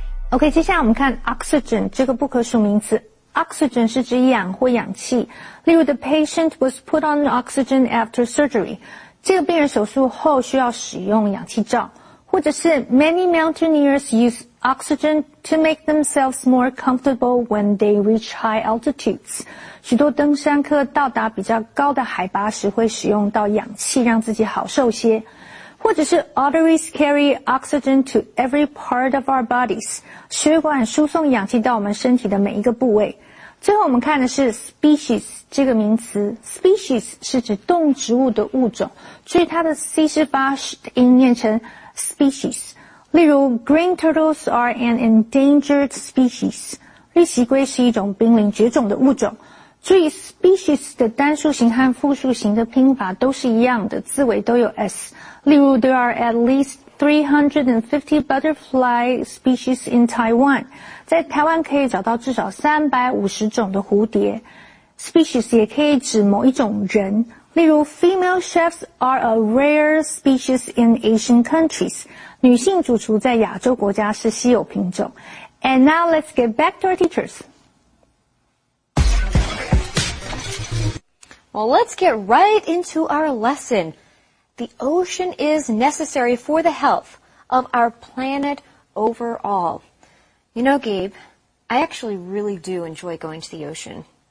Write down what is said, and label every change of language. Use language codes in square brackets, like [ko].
[zh] OK, 接下来我们看 oxygen 这个不可数名词。Oxygen 是指氧或氧气。例如 [en] ,the patient was put on oxygen after surgery. [zh] 这个病人手术后需要使用氧气罩。或者是 [en] ,many mountaineers use oxygen to make themselves more comfortable when they reach high altitudes. [zh] 许多登山客到达比较高的海拔时会使用到氧气让自己好受些。或者是 [en] arteries carry oxygen to every part of our bodies. [zh] 血管输送氧气到我们身体的每一个部位。最后我们看的是 species 这个名词。Species 是指动植物的物种，所以它的 C 是发音念成 species。例如 [en] ,green turtles are an endangered species. [zh] 绿蜥龟是一种濒临绝种的物种。注意 ,species 的单数型和复数型的拼法都是一样的，字尾都有 S。例如 [en] ,there are at least 350 butterfly species in Taiwan. [zh] 在台湾可以找到至少350种的蝴蝶。 [en] Species [zh] 也可以指某一种人。例如 [en] ,female chefs are a rare species in Asian countries. [zh] 女性主厨在亚洲国家是稀有品种。 [en] And now let's get back to our teachers. Well, let's get right into our lesson. The ocean is necessary for the health of our planet overall. You know, Gabe, I actually really do enjoy going to the ocean.